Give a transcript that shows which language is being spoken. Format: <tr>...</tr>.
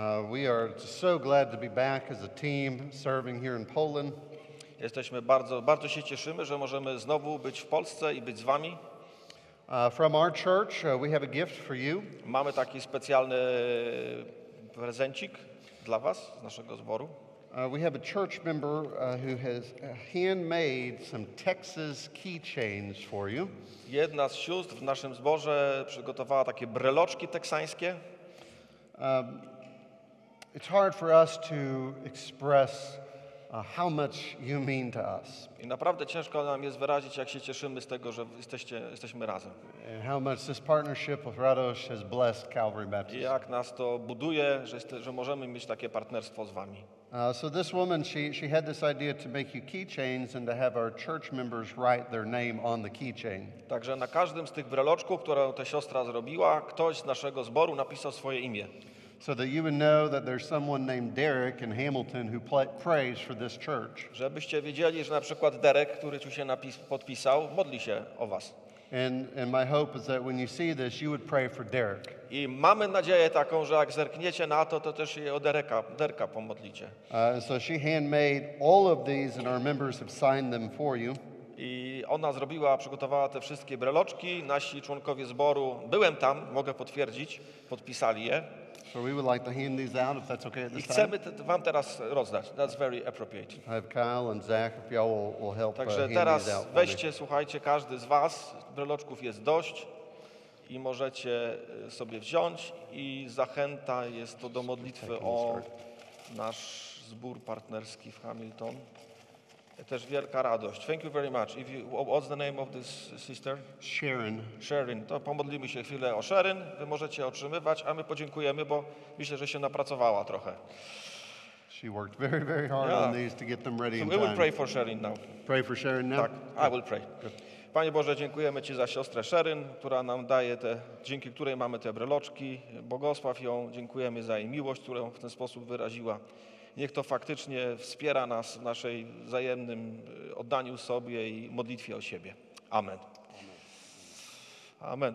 <en>We are so glad to be back as a team serving here in Poland.</en> <pl>Jesteśmy bardzo, bardzo się cieszymy, że możemy znowu być w Polsce i być z wami.</pl> <en>From our church, we have a gift for you.</en> <pl>Mamy taki specjalny prezencik dla was z naszego zboru.</pl> <en>We have a church member who has handmade some Texas keychains for you.</en> <pl>Jedna z sióstr w naszym zborze przygotowała takie breloczki teksańskie.</pl> <en>It's hard for us to express how much you mean to us.</en> <pl>I naprawdę ciężko nam jest wyrazić, jak się cieszymy z tego, że jesteśmy razem.</pl> <en>And how much this partnership with Radosz has blessed Calvary Baptist.</en> <pl>I jak nas to buduje, że możemy mieć takie partnerstwo z wami.</pl> <en>So this woman, she had this idea to make you keychains and to have our church members write their name on the keychain.</en> <pl>Także na każdym z tych breloczków, którą ta siostra zrobiła, ktoś z naszego zboru napisał swoje imię.</pl> <en>So that you would know that there's someone named Derek in Hamilton who prays for this church.</en> <pl>Żebyście wiedzieli, że na przykład Derek, który tu się podpisał, modli się o was.</pl> <en>And my hope is that when you see this, you would pray for Derek.</en> <pl>I mamy nadzieję taką, że jak zerkniecie na to, to też o Derka pomodlicie.</pl> <en>So she handmade all of these, and our members have signed them for you.</en> <pl>I ona przygotowała te wszystkie breloczki. Nasi członkowie zboru, byłem tam, mogę potwierdzić, podpisali je.</pl> <en>So we would like to hand these out, if that's okay at this time.</en> <pl>Chcemy wam teraz rozdać.</pl> <en>That's very appropriate. I have Kyle and Zach, if y'all will help.</en> <pl>Także teraz weźcie, słuchajcie, każdy z was, breloczków jest dość i możecie sobie wziąć. I zachęta jest to do modlitwy o nasz zbór partnerski w Hamilton. Też wielka radość.</pl> <en>Thank you very much. If you, what's the name of this sister? Sharon. Sharon.</en> <pl>To pomodlimy się chwilę o Sharon. Wy możecie otrzymywać, a my podziękujemy, bo myślę, że się napracowała trochę.</pl> <en>She worked very, very hard on these to get them ready so in we time. We will pray for Sharon now. Pray for Sharon now? Tak, I will pray.</en> <pl>Panie Boże, dziękujemy Ci za siostrę Sharon, która nam daje te, dzięki której mamy te breloczki. Błogosław ją, dziękujemy za jej miłość, którą w ten sposób wyraziła. Niech to faktycznie wspiera nas w naszej wzajemnym oddaniu sobie i modlitwie o siebie. Amen. Amen.</pl>